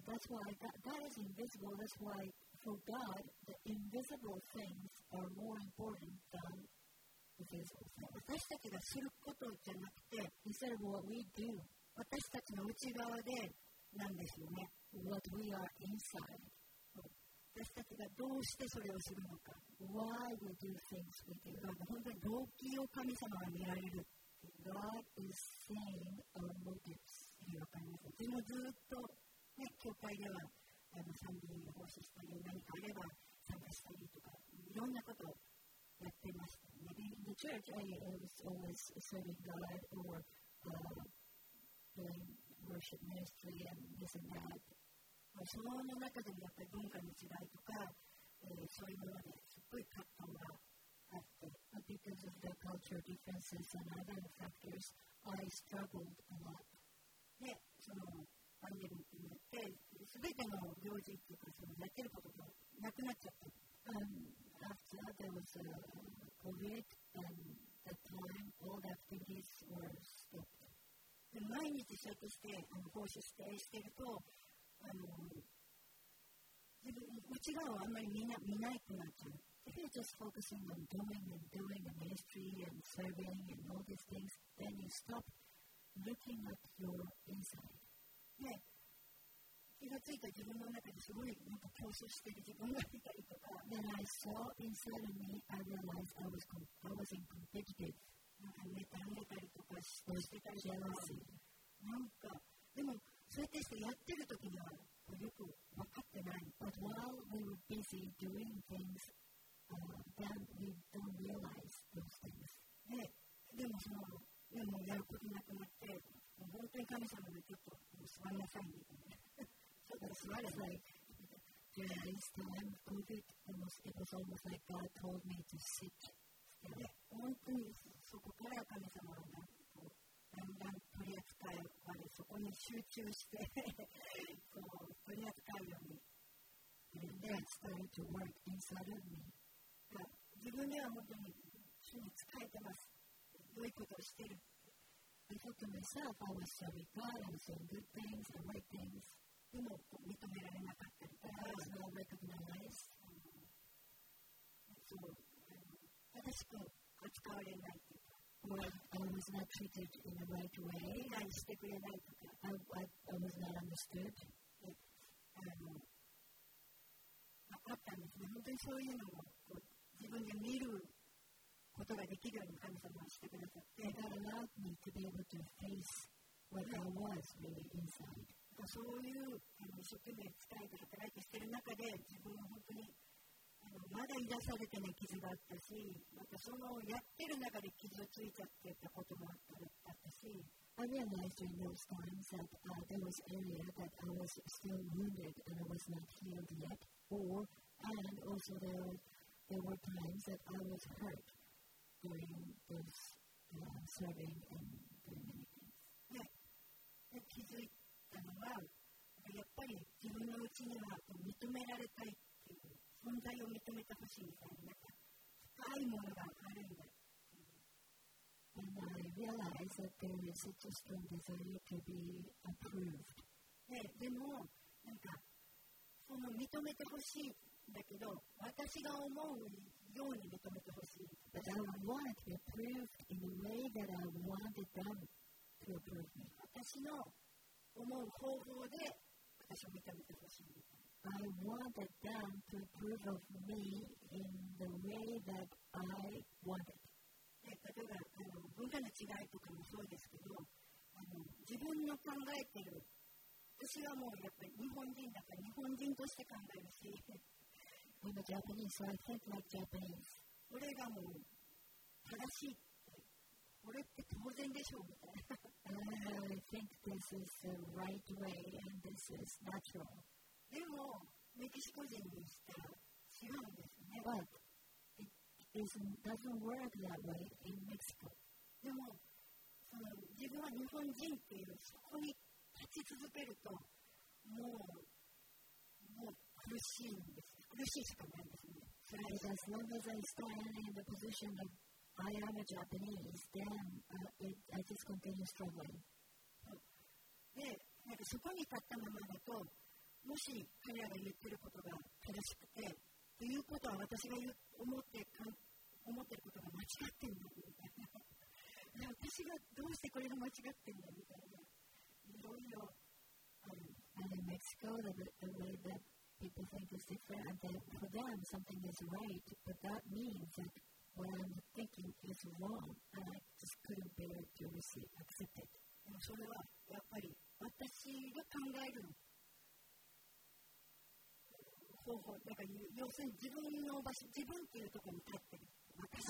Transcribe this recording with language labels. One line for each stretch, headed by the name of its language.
English: That's why for God, the invisible things are more important than the visible things.
Japanese: 私たちが知ることじゃなくて、
English: instead of what we do,
Japanese: 私たちの内側でなんですよね。
English: What we are inside.
Japanese: 私たちがどうしてそれをするのか。
English: Why we do things we do.
Japanese: 本当に動機を神様が見られる。
English: God is saying our motives.
Japanese: という感じです。でもずっと、ね、教会では、賛美を奉仕したり、何かあれば参加したりとか、いろんなことをやってました。
English: Maybe in the church, I was always serving God or doing worship ministry and this and that.
Japanese: その中でもやっぱり文化の違いとか、そういうものですっごい葛藤があって、
English: But because of the cultural differences and other factors, I struggled a lot.
Japanese: で、そのパンデミックによって、すべての行事とか、そのやってることがなくなっちゃった。
English: After that, there was a COVID, and the time, all the activities were stopped.
Japanese: で毎日仕事して、奉仕して、してると、自分、内側をあんまり見ないくなっちゃう。
English: If you're just focusing on doing and doing the ministry and serving and all these things, then you stop looking at your inside.
Japanese: で、気がついた自分の中ですごい、なんか競争してる自分がいたりとか。
English: Then I saw inside of me, I realized I was in competitive. But while we were busy doing things, then we don't realize those things. It was almost like God told me to sit still.
Japanese: そこから神様がだんだん取り扱いまでそこに集中してこう取り扱うように
English: started to work inside of me.
Japanese: 自分では本当に主に仕えてます良いことをしてる
English: I thought to myself I was serving God and saying good things and right things
Japanese: でも認められなかったり
English: I was not recognized
Japanese: そう正しく扱われない
English: I was not treated in the right way. I was not understood. God allowed me to be able to face what I was really inside.
Japanese: そういう一生懸命伝えて働いてしてる中で自分は本当にまだ癒されてない傷があったし、またそのやってる中で傷をついちゃってたこともあったし、
English: I realized during those times that there was area that I was still wounded and I was not healed yet, and also there were times that I was hurt during this serving and doing many things.
Japanese: で、気づいたのは、やっぱり自分のうちには認められたい。存在を認めてほしいみたいな深いものがあるんだ。
English: And I realized is that there is such a strong desire to be approved.
Japanese: でも、なんか、その認めてほしいんだけど、私が思うように認めてほしい。
English: But I want to be approved in the way that I wanted them to approve me.
Japanese: 私の思う方法で私を認めてほしい。
English: I wanted them to approve of me in the way that I wanted.
Japanese: 例えば、文化の違いとかもそうですけど、自分の考えている、私はもうやっぱり日本人だから日本人として考えるし、
English: I'm a Japanese, so I think like Japanese.
Japanese: これがもう正しいって、これって当然でしょうみたいな。
English: I think this is the right way and this is natural.
Japanese: でも、メキシコ人にしたら違うんですね。
English: But it doesn't work that way in Mexico.
Japanese: でも、その自分は日本人っていうそこに立ち続けると、もう苦しいんです。苦しいしかないんですね。
English: So as long as I stand in the position that I am a Japanese, then I just continue struggling.
Japanese: で、なんかそこに立ったままだと、もし彼らが言ってることが正しくてということは私が思ってることが間違ってるんだみたいな私がどうしてこれが間違ってるんだみたいないろいろ
English: And in Mexico the way that people think is different and that for them something is right but that means that what I'm thinking is wrong and I just couldn't bear to receive accept it
Japanese: それはやっぱり私が考える方法なんか要するに自分の場所自分っていうところに立ってる私